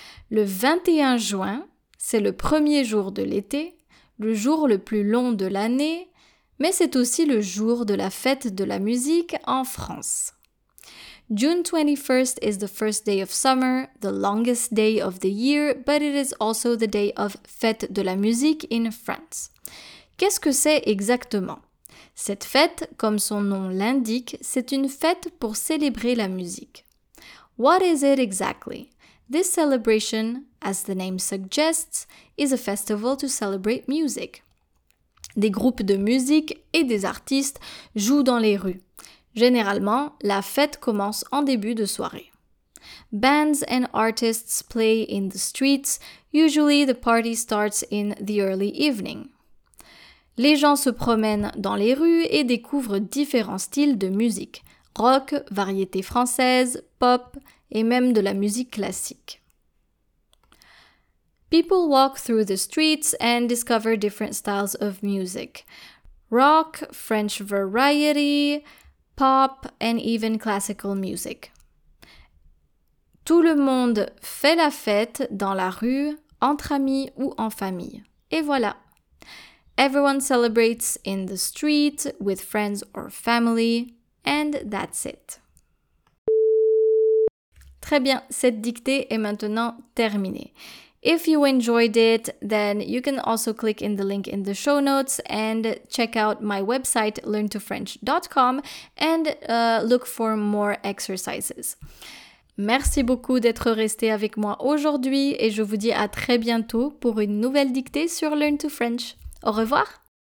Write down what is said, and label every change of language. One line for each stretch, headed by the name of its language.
French: Le 21 juin, c'est le premier jour de l'été. Le jour le plus long de l'année, mais c'est aussi le jour de la fête de la musique en France.
English: June 21st is the first day of summer, the longest day of the year, but it is also the day of Fête de la Musique in France.
French: Qu'est-ce que c'est exactement? Cette fête, comme son nom l'indique, c'est une fête pour célébrer la musique.
English: What is it exactly? This celebration, as the name suggests, is a festival to celebrate music.
French: Des groupes de musique et des artistes jouent dans les rues. Généralement, la fête commence en début de soirée.
English: Bands and artists play in the streets. Usually the party starts in the early evening.
French: Les gens se promènent dans les rues et découvrent différents styles de musique. Rock, variété française, pop et même de la musique classique.
English: People walk through the streets and discover different styles of music. Rock, French variety, pop and even classical music.
French: Tout le monde fait la fête dans la rue, entre amis ou en famille. Et voilà.
English: Everyone celebrates in the street, with friends or family, and that's it.
French: Très bien, cette dictée est maintenant terminée.
English: If you enjoyed it, then you can also click in the link in the show notes and check out my website learntofrench.com and look for more exercises.
French: Merci beaucoup d'être resté avec moi aujourd'hui et je vous dis à très bientôt pour une nouvelle dictée sur Learn to French. Au revoir!